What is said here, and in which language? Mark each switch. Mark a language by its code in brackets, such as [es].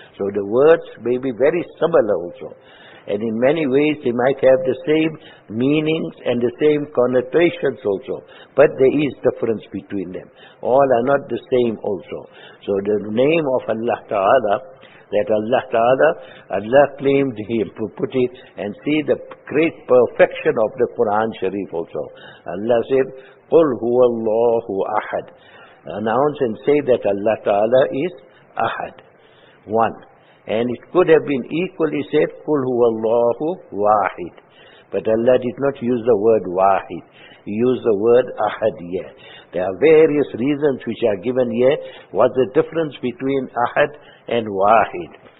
[en] So the words may be very similar also. And in many ways they might have the same meanings and the same connotations also. But there is difference between them. All are not the same also. So the name of Allah Ta'ala, that Allah Ta'ala, Allah claimed Him, put it, and see the great perfection of the Quran Sharif also. [ar] Allah said, قُلْ هُوَ اللَّهُ أَحَد. [en] Announce and say that Allah Ta'ala is Ahad, one. [ar] And it could have been equally said, قُلْ هُوَ اللَّهُ وَاحِد. [en] But Allah did not use the word wahid. He used the word ahad here. There are various reasons which are given here. What's the difference between ahad and wahid?